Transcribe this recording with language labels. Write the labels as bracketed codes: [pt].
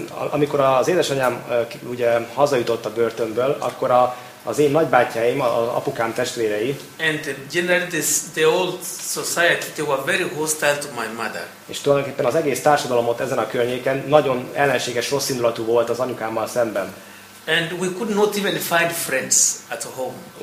[hu] amikor az édesanyám ugye hazajutott a börtönből, akkor az én nagybátyáim, az apukám testvérei. [en] And generally the old society, they were very hostile to my mother. [hu] És tulajdonképpen az egész társadalomot ezen a környéken nagyon ellenséges, rosszindulatú volt az anyukámmal szemben. [en] And we could not even find friends at home.